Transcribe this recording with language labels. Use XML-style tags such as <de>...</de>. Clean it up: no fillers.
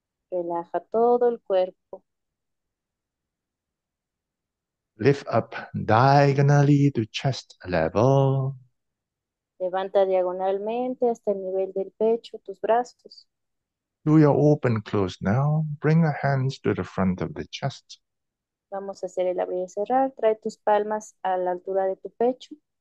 <es>relaja todo el cuerpo.</es> <en>lift up diagonally to chest level.</en> <es>Levanta diagonalmente hasta el nivel del pecho tus brazos.</es> <en>Do your open close now. Bring your hands to the front of the chest.</en> <es>Vamos a hacer el abrir y cerrar. Trae tus palmas a la altura de tu pecho.</es>